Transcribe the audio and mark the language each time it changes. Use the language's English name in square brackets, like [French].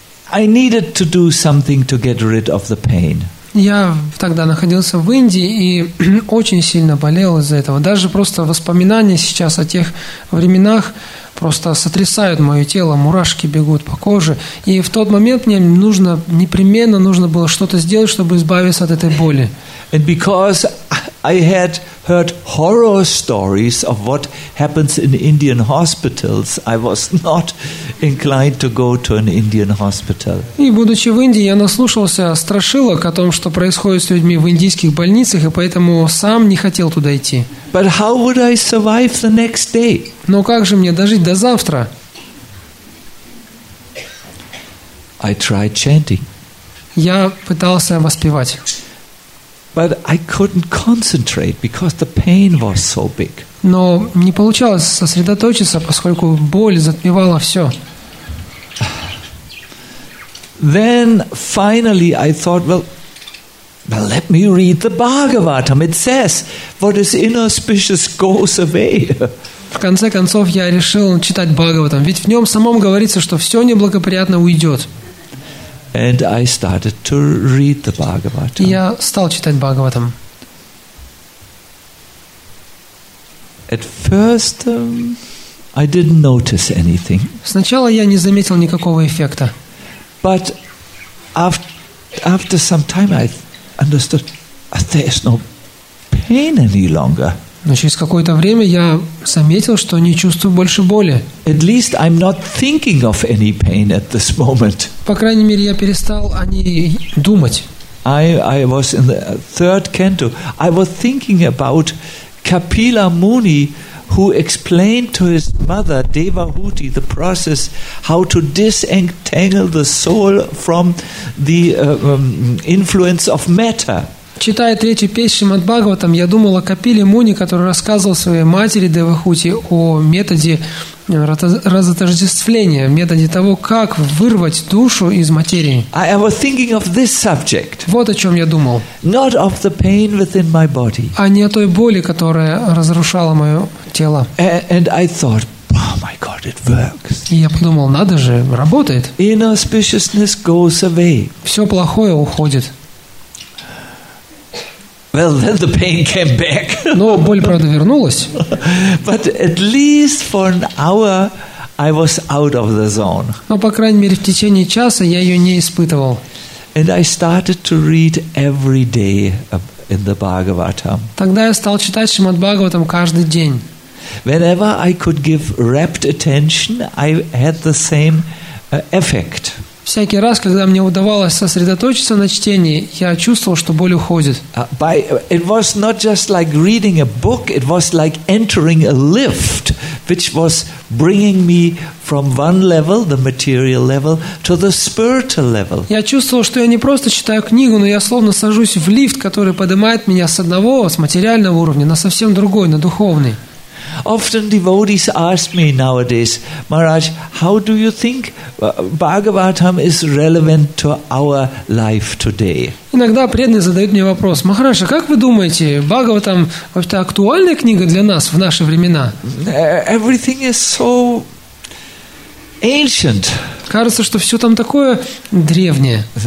[English] I needed to do something to get rid of the pain. [Russian] Я тогда находился в Индии и очень сильно болел из-за этого. Даже просто воспоминания сейчас о тех временах просто сотрясают мое тело, мурашки бегут по коже. И в тот момент мне нужно, непременно нужно было что-то сделать, чтобы избавиться от этой боли. [English] And because I had heard horror stories of what happens in Indian hospitals, I was not inclined to go to an Indian hospital. [Russian] И будучи в Индии, я наслушался страшилок о том, что происходит с людьми в индийских больницах, и поэтому сам не хотел туда идти. [English] But how would I survive the next day? [Russian] Но как же мне дожить до завтра? [English] I tried chanting. [Russian] Я пытался воспевать. [English] But I couldn't concentrate because the pain was so big. [Russian] Но не получалось сосредоточиться, поскольку боль затмевала все. [English] Then finally I thought, well, let me read the Bhagavatam. It says, what is inauspicious goes away. [Russian] В конце концов я решил читать Бхагаватам, ведь в нем самом говорится, что все неблагоприятно уйдет. [English] And I started to read the Bhagavatam. [Russian] Я стал читать Бхагаватам. [English] At first, I didn't notice anything. [Russian] Сначала я не заметил никакого эффекта. [English] But after some time, I understood there is no pain any longer. [Russian] Но через какое-то время я заметил, что не чувствую больше боли. [English] At least I'm not thinking of any pain at this moment. [Russian] По крайней мере, я перестал о ней думать. [English] I was in the third canto. I was thinking about Kapila Muni, who explained to his mother Devahuti the process how to disentangle the soul from the influence of matter. [Russian] Читая третью песню Шримад-Бхагаватам, я думал о Капиле Муни, который рассказывал своей матери Девахути о методе разотождествления, методе того, как вырвать душу из материи. [English] I was thinking of this subject. [Russian] Вот о чем я думал. [English] Not of the pain within my body. [Russian] А не о той боли, которая разрушала мое тело. [English] And I thought, oh my God, it works. [Russian] И я подумал, надо же, работает. [English] Inauspiciousness goes away. [Russian] Все плохое уходит. [English] Well, then the pain came back. [Russian] Но боль, правда, вернулась. [English] But at least for an hour, I was out of the zone. [Russian] Но, по крайней мере, в течение часа я ее не испытывал. [English] And I started to read every day in the Bhagavatam. [Russian] Тогда я стал читать Шримад-Бхагаватам каждый день. [English] Whenever I could give rapt attention, I had the same effect. [Russian] Всякий раз, когда мне удавалось сосредоточиться на чтении, я чувствовал, что боль уходит. [English] It was not just like reading a book, it was like entering a lift, which was bringing me from one level, the material level, to the spiritual level. [Russian] Я чувствовал, что я не просто читаю книгу, но я словно сажусь в лифт, который поднимает меня с одного, с материального уровня, на совсем другой, на духовный. [English] Often devotees ask me nowadays, Maharaj, how do you think Bhagavatam is relevant to our life today? [Russian] Иногда преданные задают мне вопрос, Махараш, а как вы думаете, Бхагаватам вообще актуальная книга для нас в наши времена? [English] Everything is so ancient. [Russian] Кажется, что все там такое древнее.